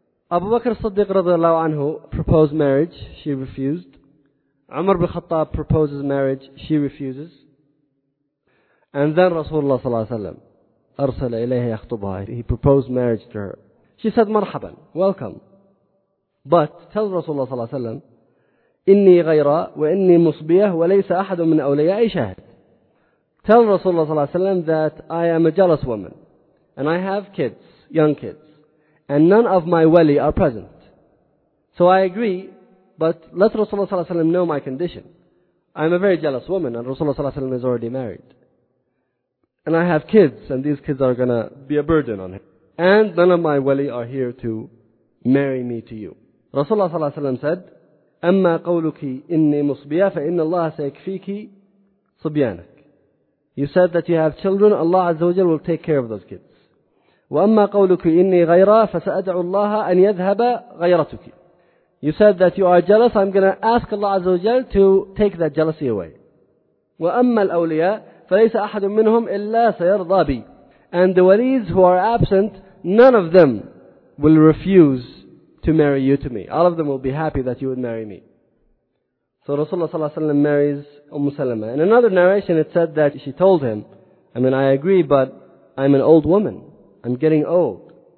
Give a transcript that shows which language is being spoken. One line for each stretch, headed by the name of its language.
English: Abu Bakr Siddiq radiallahu anhu proposed marriage. She refused. Umar bin Khattab proposes marriage. She refuses. And then Rasulullah sallallahu alayhi wa sallam
Arabic: أرسل إليها يخطبها.
English: He proposed marriage to her. She said, مرحباً, welcome. But tell Rasulullah sallallahu alayhi wa sallam,
Arabic: إني غيرا وإني مصبية وليس أحد من أوليائي شاهد.
English: tell Rasulullah sallallahu alayhi wa sallam that I am a jealous woman and I have kids, young kids, and none of my wali are present. So I agree, but let Rasulullah sallallahu alayhi wa sallam know my condition. I am a very jealous woman and Rasulullah sallallahu alayhi wa sallam is already married. And I have kids and these kids are going to be a burden on him. And none of my wali are here to marry me to you. Rasulullah sallallahu alayhi wa sallam said,
Arabic: أما قولك إني مصبية فإن الله سيكفيك صبيانك.
English: You said that you have children, Allah Azza wa Jal will take care of those kids.
Arabic: وأما قولك إني غيرة فسأدعو الله أن يذهب غيرتك.
English: You said that you are jealous, I'm going to ask Allah Azza wa Jal to take that jealousy away.
Arabic: وأما الأولياء فليس أحد منهم إلا سيرضى بي.
English: And the walis who are absent, none of them will refuse to marry you to me. All of them will be happy that you would marry me. So Rasulullah sallallahu alayhi wa sallam marries Umm Salama. In another narration it said that she told him, I mean, I agree, but I'm an old woman. I'm getting old.